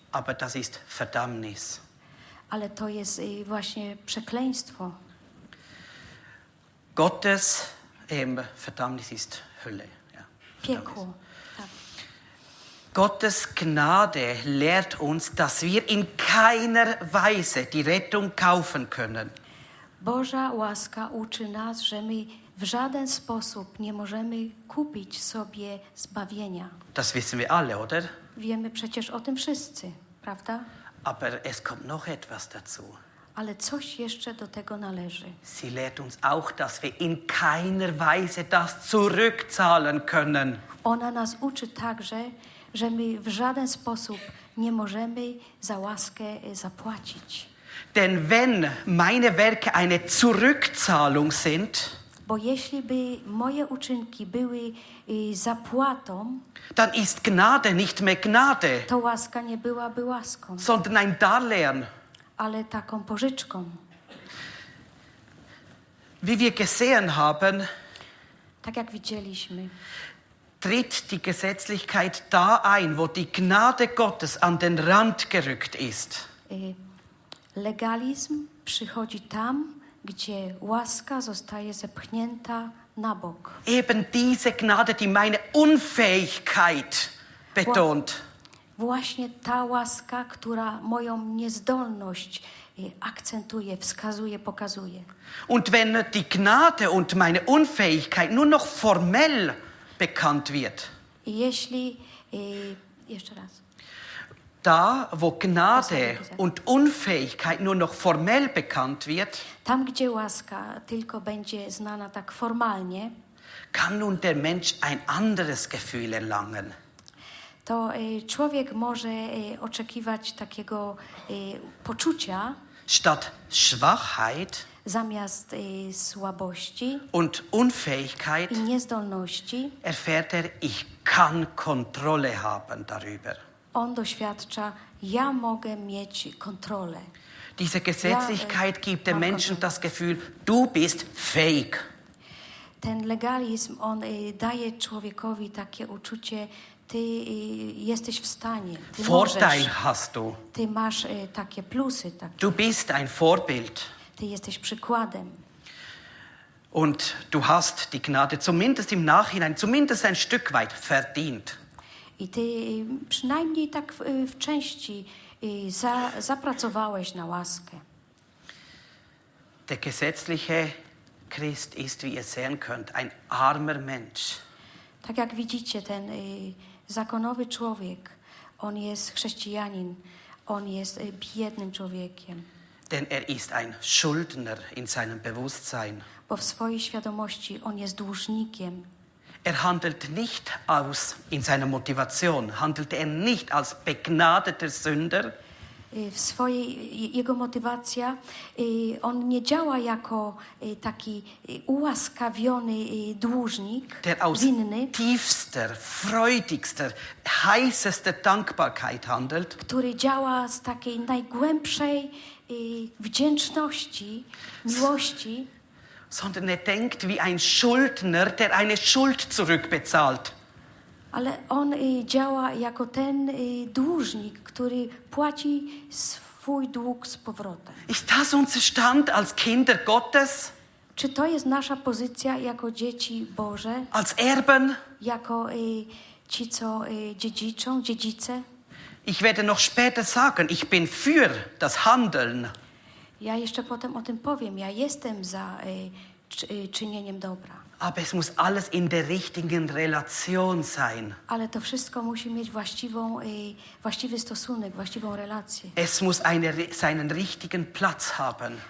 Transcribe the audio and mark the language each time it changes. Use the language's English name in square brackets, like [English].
[German] aber das ist Verdammnis. [Polish] Ale to jest właśnie przekleństwo. [German] Gottes Verdammnis ist Hölle. Ja, [Polish] piekło. [German] Gottes Gnade lehrt uns, dass wir in keiner Weise die Rettung kaufen können. [Polish] Boża łaska uczy nas, że my w żaden sposób nie możemy kupić sobie zbawienia. [German] Das wissen wir alle, oder? [Polish] Wiemy przecież o tym wszyscy, prawda? [German] Aber es kommt noch etwas dazu. [Polish] Ale coś jeszcze do tego należy. [German] Sie lehrt uns auch, dass wir in keiner Weise das zurückzahlen können. [Polish] Ona nas uczy także, że my w żaden sposób nie możemy za łaskę zapłacić. [German] Denn wenn meine Werke eine Zurückzahlung sind, [Polish] bo jeśli by moje uczynki były zapłatą, [German] dann ist Gnade nicht mehr Gnade, [Polish] to łaska nie byłaby łaską, [German] sondern ein Darlehen, [Polish] ale taką pożyczką. [German] Wie wir gesehen haben, [Polish] tak jak widzieliśmy, [German] tritt die Gesetzlichkeit da ein, wo die Gnade Gottes an den Rand gerückt ist. [Polish] Legalizm przychodzi tam, gdzie łaska zostaje zepchnięta na bok. [German] Eben diese Gnade, die meine Unfähigkeit betont. [Polish] Właśnie ta łaska, która moją niezdolność akcentuje, wskazuje, pokazuje. [German] Und wenn die Gnade und meine Unfähigkeit nur noch formell bekannt wird. [Polish] Jeśli jeszcze raz. [German] Da, wo Gnade und Unfähigkeit nur noch formell bekannt wird. [Polish] Tam, gdzie łaska tylko będzie znana tak formalnie. [German] Kann nun der Mensch ein anderes Gefühl erlangen. [Polish] To człowiek może oczekiwać takiego poczucia [German] statt Schwachheit [Polish] zamiast słabości [German] und Unfähigkeit [Polish] i niezdolności [German] erfährt ich kann Kontrolle haben darüber. [Polish] On doświadcza, ja mogę mieć kontrolę. [German] Diese Gesetzlichkeit gibt dem Menschen das Gefühl, du bist fähig. [Polish] Ten legalizm, on daje człowiekowi takie uczucie, ty jesteś w stanie, ty [German] Vorteil [Polish] możesz, [German] hast du. [Polish] Ty masz takie plusy. Takie. [German] Du bist ein Vorbild. [Polish] Ty jesteś przykładem. [German] Und du hast die Gnade, zumindest im Nachhinein, zumindest ein Stück weit verdient. [Polish] I ty przynajmniej tak w części zapracowałeś na łaskę. [German] Der gesetzliche Christ ist, wie ihr sehen könnt, ein armer Mensch. [Polish] Tak jak widzicie, ten zakonowy człowiek, on jest chrześcijanin, on jest biednym człowiekiem. [German] Denn ist ein Schuldner in seinem Bewusstsein. [Polish] Bo w swojej świadomości on jest dłużnikiem. [German] Handelt nicht aus in seiner Motivation, handelt nicht als begnadeter Sünder. [Polish] W swojej, jego motywacja, on nie działa jako taki ułaskawiony dłużnik, [German] der aus [Polish] winny, [German] tiefster, freudigster, heißester Dankbarkeit handelt, [Polish] który działa z takiej najgłębszej wdzięczności, miłości, [German] sondern denkt wie ein Schuldner, der eine Schuld zurückbezahlt. [Polish] Ale on działa jako ten dłużnik, który płaci swój dług z powrotem. [German] Ist das unser Stand als Kinder Gottes? [Polish] Czy to jest nasza pozycja jako dzieci Boże? [German] Als Erben? [Polish] Jako ci, co dziedziczą, dziedzice? [German] Ich werde noch später sagen, ich bin für das Handeln. [Polish] Ja jeszcze potem o tym powiem. Ja jestem za czynieniem dobra. [German] Aber es muss alles in der richtigen Relation sein. [Polish] Ale to wszystko musi mieć właściwy stosunek, właściwą relację. [German] Es muss seinen richtigen Platz haben.